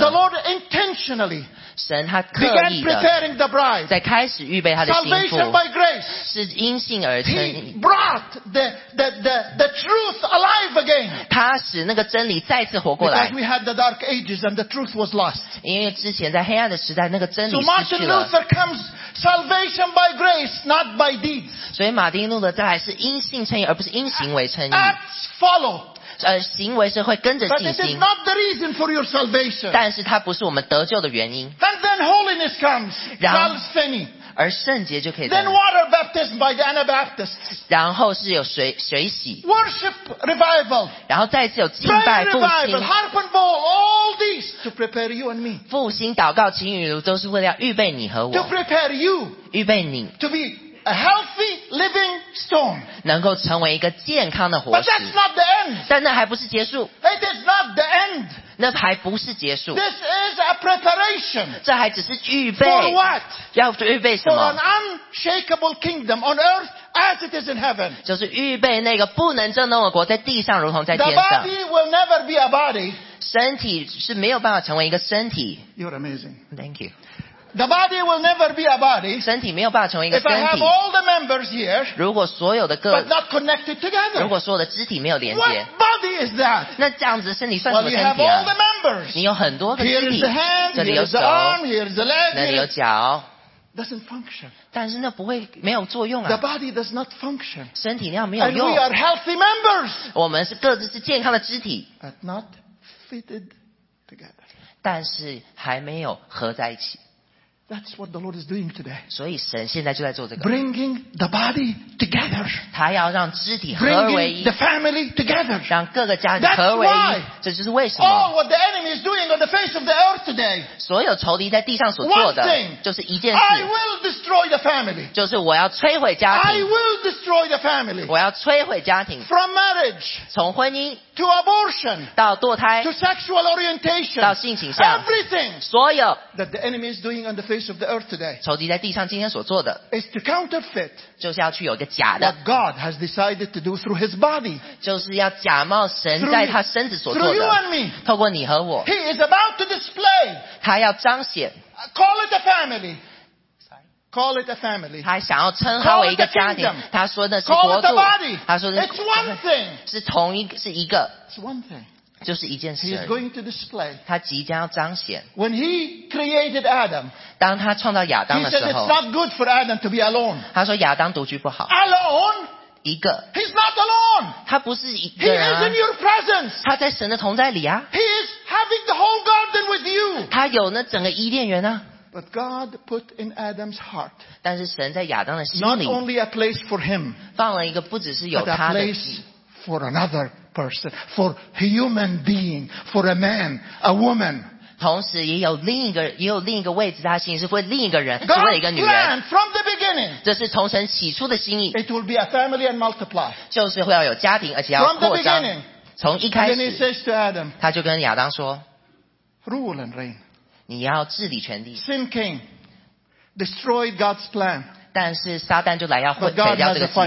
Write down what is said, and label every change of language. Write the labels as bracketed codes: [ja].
[en] The Lord intentionally [zh] 神他刻意的 [en] began preparing the bride, [zh] 在开始预备他的心腹 [en] Salvation by grace [zh] 是因信而成 [en] He brought the truth alive again [zh] 他使那个真理再次活过来 [en] Because we had the dark ages and the truth was lost [zh] 因为之前在黑暗的时代那个真理失去了 [en] So Martin Luther comes salvation by grace not by deeds [zh] 所以马丁路德再来是因信称义而不是因行为称义 [en] Acts follow [zh] 行为是会跟着信心 [en] But it is not the reason for your salvation. [zh] 但是它不是我们得救的原因 [en] And then holiness comes, [zh] 而圣洁就可以 [en] Then water baptism by the Anabaptists. [zh] 然后是有 水洗 [en] Worship revival. [zh] 然后再次有敬拜复兴 [en] Harp and bowl, all these to prepare you and me. [zh] 复兴祷告琴与炉都是为了预备你和我 [en] To prepare you [zh] 预备你 [en] To beA healthy living stone. [zh] 能够成为一个健康的活石。 [en] But that's not the end. [zh] 但那还不是结束。 [en] It is not the end. [zh] 那还不是结束。 [en] This is a preparation. [zh] 这还只是预备。 [en] For what? [zh] 要预备什么? [en] For an unshakable kingdom on earth as it is in heaven. [zh] 就是预备那个不能震动的国在地上如同在天上。 [en] The body will never be a body. [zh] 身体是没有办法成为一个身体。 [en] You're amazing. Thank you. The body will never be a body. [zh] 身体没有办法成为一个身体。 [en] If I have all the members here, [zh] 如果所有的个 [en] but not connected together. [zh] 如果所有的肢体没有连接。 [en] What body is that? [zh] 那这样子身体算什么身体啊？ [en] Well, you have all the members. [zh] 你有很多个肢体。 [en] Here's the hand, [zh] 这里有手， [en] here's the arm, here's the leg, [zh] 那里有脚。 [en] Doesn't function. [zh] 但是那不会没有作用啊。 [en] The body does not function. [zh] 身体那样没有用。 [en] And we are healthy members. [zh] 我们是各自是健康的肢体。 [en] But not fitted together. [zh] 但是还没有合在一起。 [en] That's what the Lord is doing today. [zh] 所以神现在就在做这个。 [en] Bringing the body together. [zh] 他要让肢体合为一。 [en] Bringing the family together. [zh] 让各个家庭合为一。这就是为什么。 [en] All what the enemy is doing on the face of the earth today. [zh] 所有仇敌在地上所做的，就是一件事。 [en] I will destroy the family. [zh] 就是我要摧毁家庭。 [en] I will destroy the family. [zh] 我要摧毁家庭。 [en] From marriage. [zh] 从婚姻。 [en] To abortion. [zh] 到堕胎。 [en] To sexual orientation. [zh] 到性倾向。 [en] Everything. [zh] 所有。 [en] That the enemy is doing on the face of the earth today. [zh] 仇敌在地上今天所做的。 [en] Is to counterfeit. [zh] 就是要去有一个假的。 [en] What God has decided to do through His body. [zh] 就是要假冒神在他身子所做的。 [en] Through you and me. [zh] 透过你和我。 [en] He is about to display. [zh] 他要彰显。 [en] Call it a family. Call it a family. [zh] 他想要称它为一个家庭。他说那是国度。他说的是。 [en] It's one thing. [zh] 是同一个，是一个。 [en] It's one thing. [zh] 就是一件事。 [en] He is going to display. [zh] 他即将要彰显。 [en] When he created Adam. [zh] 当他创造亚当的时候。 [en] He said it's not good for Adam to be alone. [zh] 他说亚当独居不好。 [en] Alone. [zh] 一个。 [en] He's not alone. [zh] 他不是一个人啊。 [en] He is in your presence. [zh] 他在神的同在里啊。 [en] He is having the whole garden with you. [zh] 他有那整个伊甸园啊。 [en] But God put in Adam's heart, [zh] 但是神在亚当的心里 [en] not only a place for him, [zh] 放了一个不只是有他的 [en] but a place for another person, for human being, for a man, a woman. [zh] 同时也有另一个也有另一个位置他心里是为另一个人 [en] God [zh] 是为一个女人 [en] God's plan from the beginning, [zh] 这是从神起初的心意 [en] it will be a family and multiply, [zh] 就是会要有家庭而且要扩张 从一开始 [en] then he says to Adam, [zh] 他就跟亚当说 [en] rule and reign. [zh] 你要治理全地。 [en] Sin came, destroyed God's plan. [zh] 但是撒旦就来要毁掉这个计划。